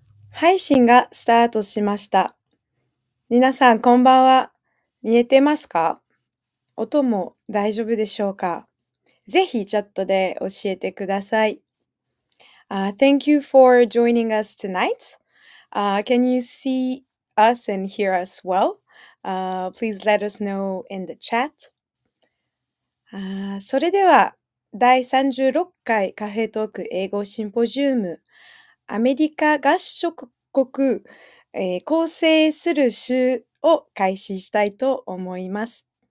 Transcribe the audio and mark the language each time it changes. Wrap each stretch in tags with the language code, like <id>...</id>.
<ja>配信がスタートしました。皆さん、こんばんは。見えてますか？音も大丈夫でしょうか？ぜひチャットで教えてください。</ja> <en>Thank you for joining us tonight. Can you see us and hear us well? Please let us know in the chat.</en> <ja>それでは、第36回カフェトーク英語シンポジウム。アメリカ合衆国、構成する州を開始したいと思います。</ja>